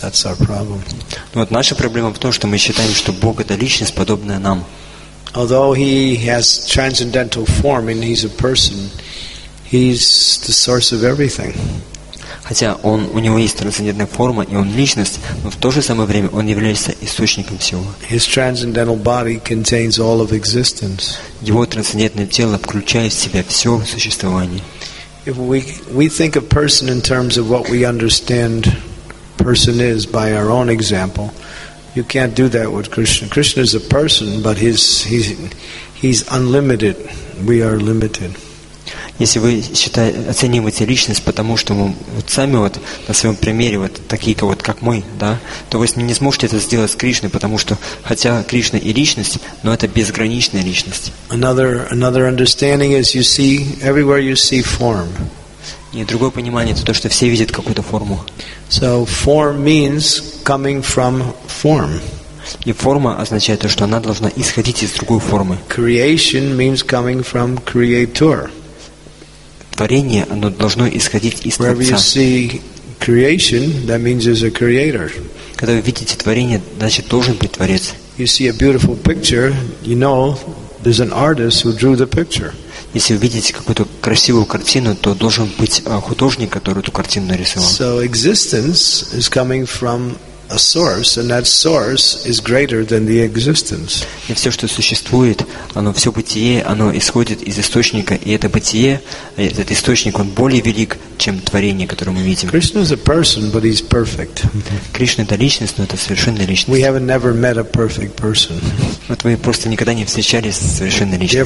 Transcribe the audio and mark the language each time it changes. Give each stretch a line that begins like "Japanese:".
English: That's our problem.
Russian: Но вот наша проблема в том, что мы считаем, что Бог это личность подобная нам.
English: Although he has transcendental form and he's a person, he's the source of everything.
Russian: Хотя у него есть трансцендентная форма и он личность, но в то же самое время он является источником всего.
English: His transcendental body contains all of existence.
Russian: Его трансцендентное тело включает в себя все существование.
English: If we think of person in terms of what we understand person is by our own example, you can't do that with Krishna. Krishna is a person, but he's unlimited. We are limited.
Russian: если вы считаете, оцениваете личность, потому что вы вот сами вот на своем примере вот такие вот как мы, да, то вы не сможете это сделать с Кришной, потому что хотя Кришна и личность, но это безграничная личность.
English: Another understanding is you see everywhere you see form.
Russian: И другое понимание это то, что все видят какую-то форму.
English: So form means coming from form.
Russian: И форма означает то, что она должна исходить из другой формы.
English: Creation means coming from creator.
Russian: Творение, оно должно исходить из Творца.
English: Wherever you see creation, that means there's a creator.
Russian: Когда вы видите творение, значит должен быть Творец.
English: You see a beautiful picture, you know there's an artist who drew the picture.
Russian: Если вы видите какую-то красивую картину, то должен быть художник, который эту картину нарисовал.
English: So existence is coming from a source, and that source is greater than the existence.
Russian: И все, что существует, оно все бытие, оно исходит из источника, и это бытие, этот источник, он более велик, чем творение, которое мы видим.
English: Krishna is a person, but he's perfect.
Russian: Кришна это личность, но это совершенная личность.
English: We have never met a perfect person.
Russian: Вот мы просто никогда не встречались с совершенной личностью.